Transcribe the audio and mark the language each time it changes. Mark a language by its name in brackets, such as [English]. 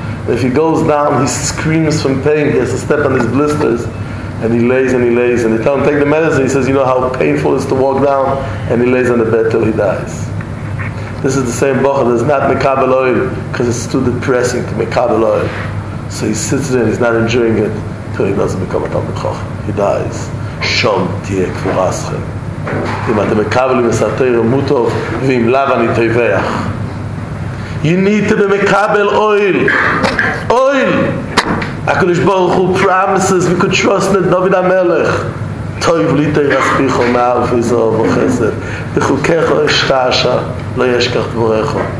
[English] If he goes down, he screams from pain, he has to step on his blisters, and he lays and he lays, and they tell him, take the medicine. He says, you know how painful it is to walk down, and he lays on the bed till he dies. This is the same bocha, that's not mekabel oil, because it's too depressing to mekabel oil. So he sits there and he's not enjoying it, till he doesn't become a talmid chacham. He dies. [Hebrew] שום תהיה כבורסכם. אם אתם מקבלים את התורה מוטו, ואם לאו אני תרווח. [English] You need to be mekabel oil. Oil! הקדוש ברוך הוא promises, we could trust in דוד המלך. [Hebrew] טוב לי תרספיך מעל פיזו וחסד. בחוקך יש רשע, לא יש כך דבורך.